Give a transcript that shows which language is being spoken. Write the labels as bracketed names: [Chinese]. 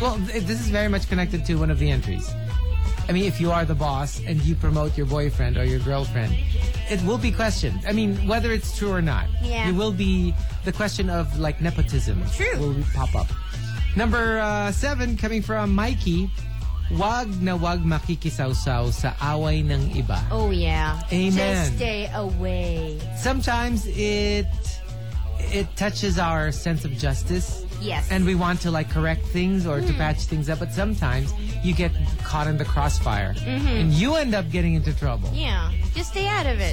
[English] Well, this is very much connected to one of the entries. I mean, if you are the boss and you promote your boyfriend or your girlfriend, it will be questioned. I mean, whether it's true or not. Yeah. It will be the question of, like, nepotism. True. Will pop up. Number 7, coming from Mikey. [Filipino] Wag na wag makikisawsaw sa away ng iba. [English] Oh, yeah. Amen. Just stay away. Sometimes it touches our sense of justice. Yes. And we want to, like, correct things or to patch things up. But sometimes you get caught in the crossfire. Mm-hmm. And you end up getting into trouble. Yeah. Just stay out of it.